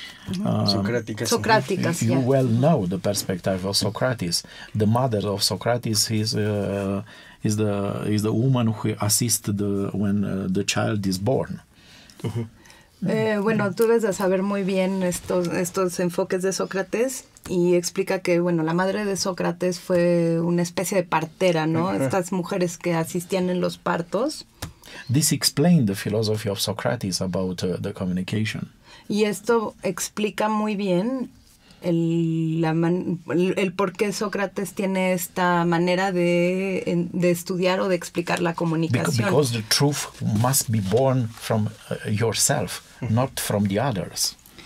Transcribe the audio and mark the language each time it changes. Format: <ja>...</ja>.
<es>Socráticas.</es> <en>You well know the perspective of Socrates. The mother of Socrates is the woman who assists when the child is born.</en> <es>Bueno, tú debes de saber muy bien estos enfoques de Sócrates, y explica que, bueno, la madre de Sócrates fue una especie de partera, ¿no? Estas mujeres que asistían en los partos.</es> <en>This explained the philosophy of Socrates about the communication.</en> <es>Y esto explica muy bien el por qué Sócrates tiene esta manera de estudiar o de explicar la comunicación.</es> <en>Because the truth must be born from yourself, not from the others.</en>